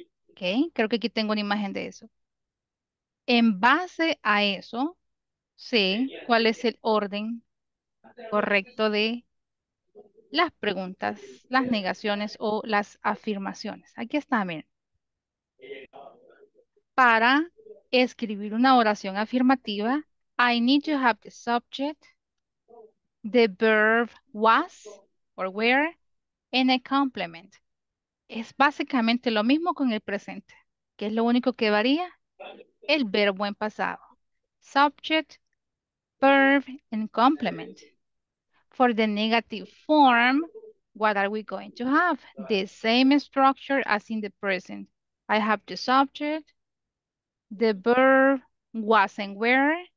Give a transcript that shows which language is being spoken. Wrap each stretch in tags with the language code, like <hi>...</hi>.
<es>Ok, creo que aquí tengo una imagen de eso. En base a eso, sé cuál es el orden correcto de las preguntas, las negaciones o las afirmaciones. Aquí está, miren. Para escribir una oración afirmativa,</es> <en>I need to have the subject, the verb was or were, and a complement.</en> <es>Es básicamente lo mismo con el presente, que es lo único que varía, el verbo en pasado.</es> <en>Subject, verb, and complement. For the negative form, what are we going to have? The same structure as in the present. I have the subject, the verb was and were.</en>